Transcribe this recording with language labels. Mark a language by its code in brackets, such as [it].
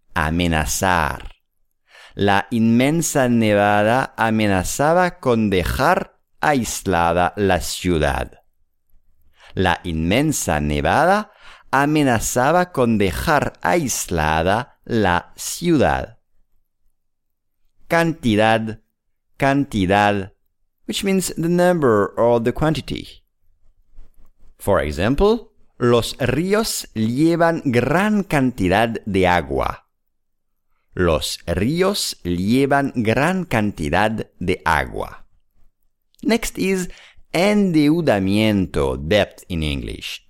[es] Amenazar. La inmensa nevada amenazaba con dejar aislada la ciudad. La inmensa nevada amenazaba con dejar aislada la ciudad. Cantidad, cantidad, [en] which means the number or the quantity. For example, [es] los ríos llevan gran cantidad de agua. Los ríos llevan gran cantidad de agua. [en] Next is endeudamiento, debt in English.